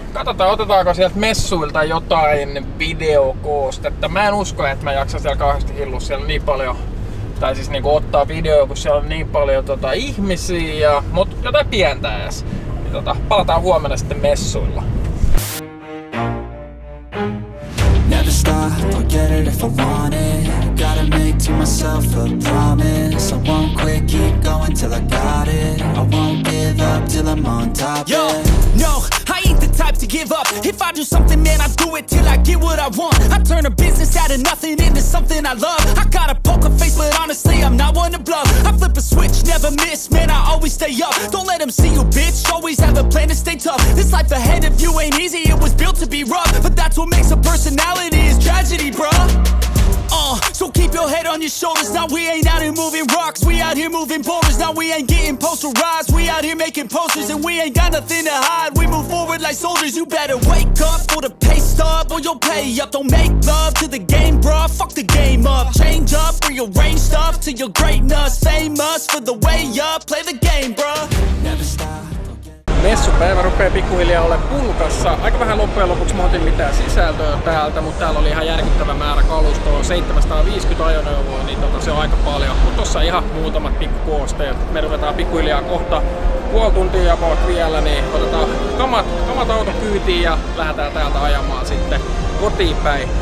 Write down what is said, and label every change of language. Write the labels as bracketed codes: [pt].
[fi] Katsotaan, otetaanko sieltä messuilta jotain videokoostetta. Mä en usko, että mä jaksan siellä kauheasti hillua siellä niin paljon, tai siis niinku ottaa videoja, kun siellä on niin paljon ihmisiä, mutta jotain pientä edes. Palataan huomenna sitten messuilla. [en] Never stop, I'll get it if I want it. Gotta make to myself a promise. I won't quit, keep going till I got it. I won't give up till I'm on top. Yo, no, I ain't the type to give up. If I do something, man, I do it till I get what I want. I turn a business out of nothing into something I love. I got a poker face, but honestly, I'm not one to bluff. I flip a switch, never miss, man, I always stay up. Don't let them see you, bitch, always have a plan to stay tough. This life ahead of you ain't easy, it was built to be rough. But that's what makes a personality is tragedy, bruh. So keep your head on your shoulders. Now we ain't out here moving rocks, we out here moving boulders. Now we ain't getting posterized, we out here making posters. And we ain't got nothing to hide, we move forward like soldiers. You better wake up for the pay stub, or you'll pay up. Don't make love to the game, bruh, fuck the game up. Change up, rearrange stuff to your greatness. Famous for the way up, play the game, bruh. Never stop. [fi] Messupäivä rupeaa pikkuhiljaa olla pulkassa. Aika vähän loppujen lopuksi mä otin mitään sisältöä täältä, mutta täällä oli ihan järkyttävä määrä kalustoa. 750 ajoneuvoa, niin se on aika paljon. Mutta tossa ihan muutamat pikkukoosteet. Me ruvetaan pikkuhiljaa kohta puoli tuntia about vielä, niin otetaan kamat auto kyytiin ja lähdetään täältä ajamaan sitten kotiin päin.